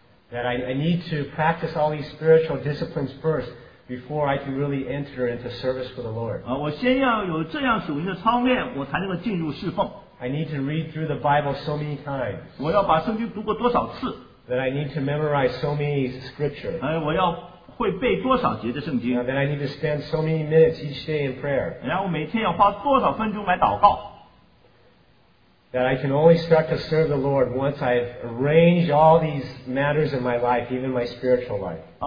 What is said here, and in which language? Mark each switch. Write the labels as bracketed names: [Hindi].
[English] That I need to practice all these spiritual disciplines first before I can really enter into service for the Lord. [Chinese] 我先要有这样属灵的操练，我才能够进入侍奉。 [English] I need to read through the Bible so many times. [Chinese] 我要把圣经读过多少次。 [English] That I need to memorize so many scriptures. [Chinese] 会背多少节的圣经？ [English] Then I need to spend so many minutes each day in prayer. [Chinese] 然后每天要花多少分钟来祷告？ [English] That I can only start to serve the Lord once I've arranged all these matters in my life, even my spiritual life.